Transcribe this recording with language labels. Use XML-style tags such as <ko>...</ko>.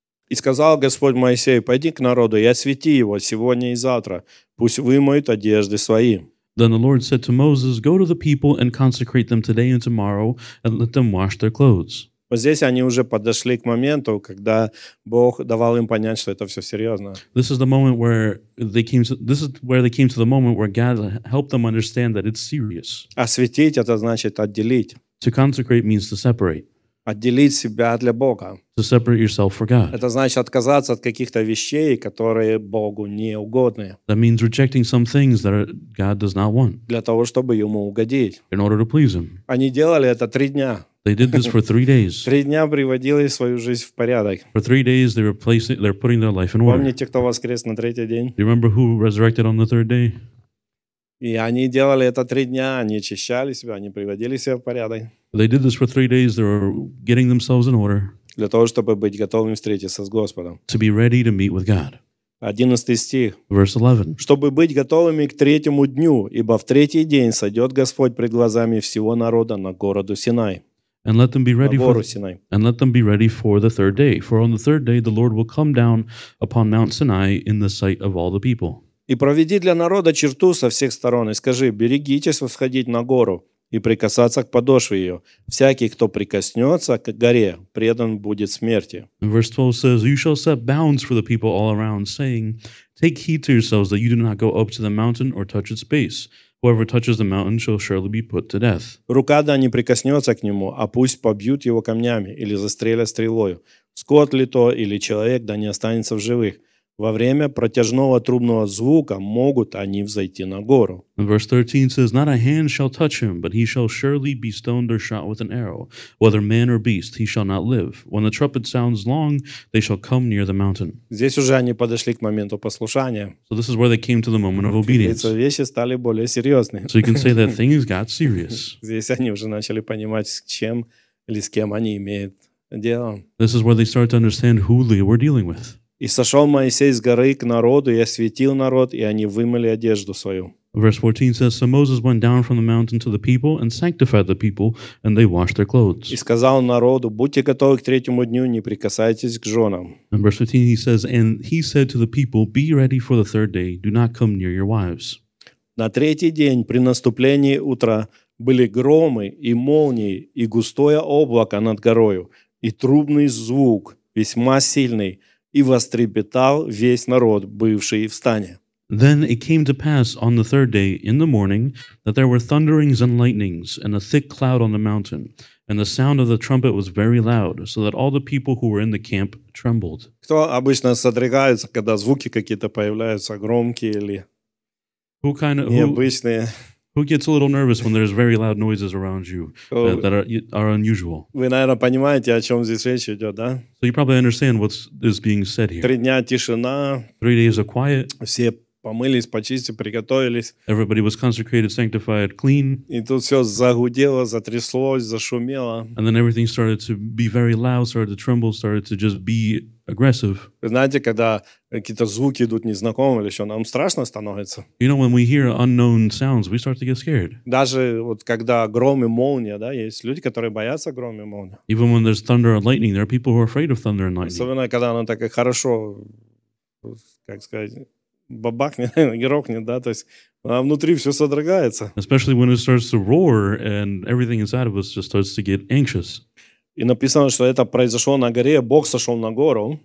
<ru>И сказал Господь Моисею, пойди к народу и освети его сегодня и завтра, пусть вымоют одежды свои.</ru> <en>Then the Lord said to Moses, go to the people and consecrate them today and tomorrow, and let them wash their clothes.</en> <ru>Вот здесь они уже подошли к моменту, когда Бог давал им понять, что это все серьезно.</ru> <en>This is the moment where they came to, this is where they came to the moment where God helped them understand that it's serious.</en> <ru>Осветить — это значит отделить.</ru> <en>To consecrate means to separate.</en> <ru>Отделить себя для Бога.</ru> <en>To separate yourself for God.</en> <ru>Это значит отказаться от каких-то вещей, которые Богу не угодны.</ru> <en>That means rejecting some things that God does not want.</en> <ru>Для того, чтобы ему угодить.</ru> <en>In order to please him.</en> <ru>Они делали это три дня.</ru> <en>They did this for three days.</en> <ru>Три дня приводили свою жизнь в порядок.</ru> <en>For three days they were placing, they're putting their life in order.</en> <ru>Помните, кто воскрес на третий день?</ru> <en>Do you remember who resurrected on the third day?</en> <ru>И они делали это три дня, они очищали себя, они приводили себя в порядок.</ru> <en>They did this for three days, they were getting themselves in order.</en> <ru>Для того, чтобы быть готовыми встретиться с Господом.</ru> <en>To be ready to meet with God.</en> <ru>11 стих.</ru> <en>Verse 11.</en> <ru>Чтобы быть готовыми к третьему дню, ибо в третий день сойдет Господь пред глазами всего народа на городу Синай.</ru> <en>And let them be ready for Sinai. And let them be ready for the third day. For on the third day the Lord will come down upon Mount Sinai in the sight of all the people.</en> <ru>И проведи для народа черту со всех сторон, и скажи, берегитесь восходить на гору и прикасаться к подошве ее. Всякий, кто прикоснется к горе, предан будет смерти.</ru> <en>And verse 12 says, you shall set bounds for the people all around, saying, take heed to yourselves that you do not go up to the mountain or touch its base. Whoever touches the mountain shall surely be put to death.</en> <ru>Рука да не прикоснется к нему, а пусть побьют его камнями или застрелят стрелою. Скот ли то или человек да не останется в живых. Во время протяжного трубного звука могут они взойти на гору.</ru> <en>And verse 13 says, not a hand shall touch him, but he shall surely be stoned or shot with an arrow. Whether man or beast, he shall not live. When the trumpet sounds long, they shall come near the mountain.</en> <ru>Здесь уже они подошли к моменту послушания.</ru> <en>So this is where they came to the moment of obedience.</en> <ru>Вещи стали более серьезные.</ru> <en>So you can say that things got serious.</en> <ru>Здесь они уже начали понимать, с чем или с кем они имеют дело.</ru> <en>This is where they started to understand who they were dealing with.</en> <ru>И сошел Моисей с горы к народу, и осветил народ, и они вымыли одежду свою.</ru> <en>Verse 14 says, so Moses went down from the mountain to the people and sanctified the people, and they washed their clothes.</en> <ru>И сказал народу, будьте готовы к третьему дню, не прикасайтесь к женам.</ru> <en>And verse 15 he says, and he said to the people, be ready for the third day, do not come near your wives.</en> <ru>На третий день, при наступлении утра, были громы и молнии, и густое облако над горою, и трубный звук, весьма сильный, и вострепетал весь народ, бывший в стане.</ru> <en>Then it came to pass on the third day in the morning that there were thunderings and lightnings and a thick cloud on the mountain, and the sound of the trumpet was very loud, so that all the people who were in the camp trembled.</en> <ru>Кто обычно содрогается, когда звуки какие-то появляются громкие или необычные?</ru> <en>Who gets a little nervous when there's very loud noises around you that are unusual?</en> <ru>Вы, наверное, понимаете, о чем здесь речь идет, да?</ru> <en>So you probably understand what is being said here.</en> <ru>Три дня тишина.</ru> <en>Three days of quiet.</en> <ru>Все помылись, почистились, приготовились.</ru> <en>Everybody was consecrated, sanctified, clean.</en> <ru>И тут все загудело, затряслось, зашумело.</ru> <en>And then everything started to be very loud, started to tremble, started to just be aggressive.</en> <ru>Вы знаете, когда какие-то звуки идут незнакомые или что, нам страшно становится.</ru> <en>You know, when we hear unknown sounds, we start to get scared.</en> <ru>Даже вот когда гром и молния, да, есть люди, которые боятся грома и молнии.</ru> <en>Even when there's thunder and lightning, there are people who are afraid of thunder and lightning.</en> <ru>Особенно когда оно так хорошо, как сказать, бабахнет, грохнет, да, то есть а внутри все содрогается.</ru> <en>Especially when it starts to roar and everything inside of us just starts to get anxious.</en> <ru>И написано, что это произошло на горе, Бог сошел на гору.</ru>